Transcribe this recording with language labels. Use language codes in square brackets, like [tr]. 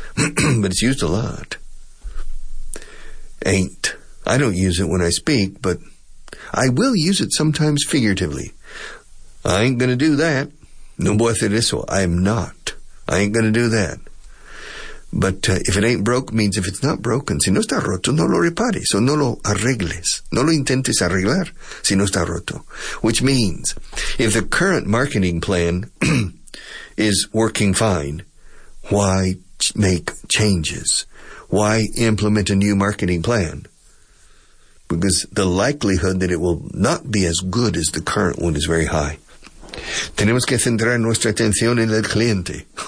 [en] But it's used a lot. Ain't. I don't use it when I speak, but I will use it sometimes figuratively. I ain't gonna do that. [es] No voy a hacer eso. [en] I am not. I ain't gonna do that. But if it ain't broke means if it's not broken. [es] Si no está roto, no lo repare. So no lo arregles. No lo intentes arreglar si no está roto. [en] Which means if the current marketing plan is working fine, why make changes? Why implement a new marketing plan? Because the likelihood that it will not be as good as the current one is very high. [es] Tenemos que centrar nuestra atención en el cliente.